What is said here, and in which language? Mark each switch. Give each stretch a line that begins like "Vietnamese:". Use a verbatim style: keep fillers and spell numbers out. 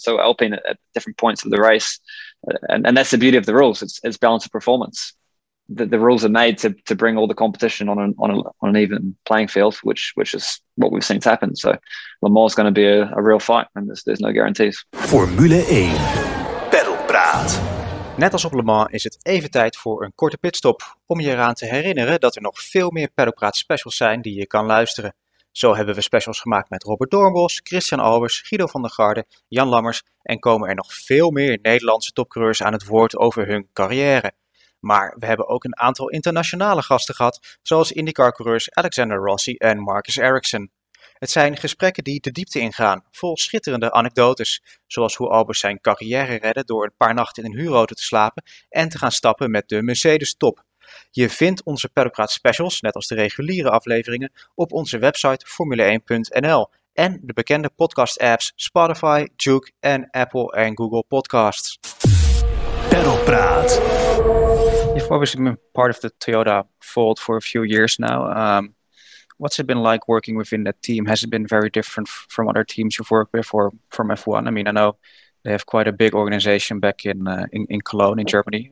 English: And so Alpine at, at different points of the race. And, and that's the beauty of the rules. It's, it's balance of performance. The, the rules are made to to bring all the competition on an, on, a, on an even playing field, which which is what we've seen happen. So Le Mans is going to be a, a real fight, and there's, there's no guarantees.
Dutch: Formule één. Pedelpraat. Net als op Le Mans is het even tijd voor een korte pitstop om je eraan te herinneren dat er nog veel meer Pedelpraat specials zijn die je kan luisteren. Zo hebben we specials gemaakt met Robert Doornbos, Christian Albers, Guido van der Garde, Jan Lammers en komen er nog veel meer Nederlandse topcoureurs aan het woord over hun carrière. Maar we hebben ook een aantal internationale gasten gehad, zoals IndyCar-coureurs Alexander Rossi en Marcus Ericsson. Het zijn gesprekken die de diepte ingaan, vol schitterende anekdotes, zoals hoe Albers zijn carrière redde door een paar nachten in een huurauto te slapen en te gaan stappen met de Mercedes-top. Je vindt onze Pedelpraat specials, net als de reguliere afleveringen, op onze website formule one dot n l en de bekende podcast-apps Spotify, Juke en Apple en Google Podcasts. Pedelpraat.
English: You've obviously been part of the Toyota fold for a few years now. Um, what's it been like working within that team? Has it been very different f- from other teams you've worked with or from F one? I mean, I know they have quite a big organization back in uh, in, in Cologne, in Germany.